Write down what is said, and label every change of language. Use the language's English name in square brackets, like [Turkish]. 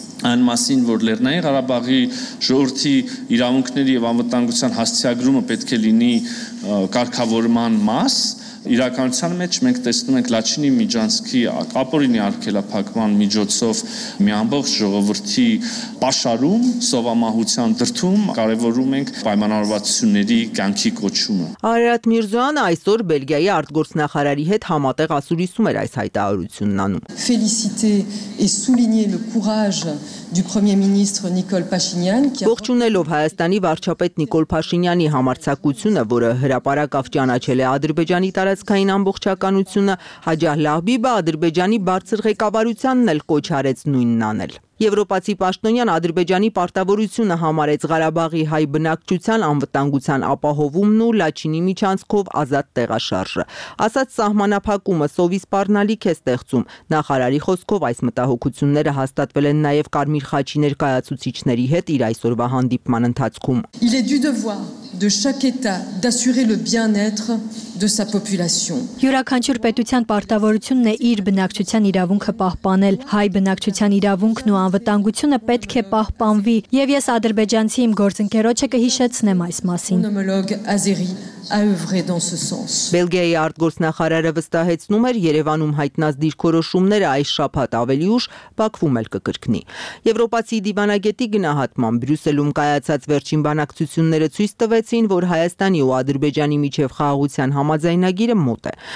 [Armenian] այն մասին, որ Լեռնային Ղարաբաղի ժողովրդի իրավունքների և անվտանգության հասցեագրումը պետք է լինի կարգավորման մաս, իրականության մեջ մենք տեսնում ենք Լաչինի միջանցքի ակապորինի արգելափակման միջոցով մի ամբողջ ժողովրդի պաշարում, սովամահության դրդում կարևորում ենք պայմանավորվածությունների կյանքի կոչումը։ Արարատ Միրզոյանը այսօր Բելգիայի արտգործնախարարի հետ համատեղ Ասուրիսում էր այս հայտարարությունն անում։ [French] Félicité et souligner le courage du Premier ministre Nicole Pachinian, qui [Armenian] ողջունելով Հայաստանի վարչապետ Նիկոլ Փաշինյանի համարձակությունը, որը հրապարակավ ճանաչել է Ադրբեջանի տարածքային ամբողջականությունը, հաջահ Լահբիբը Ադրբեջանի բարձր ղեկավարությանն էլ կոչ արեց նույնն անել։ Եվրոպացի պաշտոնյան Ադրբեջանի պարտավորությունը համարեց Ղարաբաղի հայ բնակչության անվտանգության ապահովումն ու Լաչինի միջանցքով ազատ տեղաշարժը։ Ասած, սահմանափակումը սովի սպառնալիք է ստեղծում։ Նախարարի խոսքով այս մտահոգությունները հաստատվել են նաև Կարմիր խաչի ներկայացուցիչների հետ իր այսօրվա հանդիպման ընթացքում։ [French] Il est du devoir de chaque État d'assurer le bien-être de sa population. [Armenian] Յուրաքանչյուր պետության պարտավորությունն է իր բնակչության իրավունքը պահպանել։ Հայ բնակչության իրավունքն ու անվտանգությունը պետք է պահպանվի, եւ ես ադրբեջանցի իմ գործընկերոջը կհիշեցնեմ այս մասին։ Բելգիայի արտգործնախարարը վստահեցնում էր, Երևանում հայտնած դիրքորոշումները այս շաբաթ ավելի ուշ Բաքվում էլ կկրկնի։ Եվրոպացի դիվանագետի գնահատմամբ Բրյուսելում կայացած վերջին բանակցությունները ցույց տվեցին, որ Հայաստանի ու Ադրբեջանի միջև խաղաղության համաձայնագիրը մոտ է։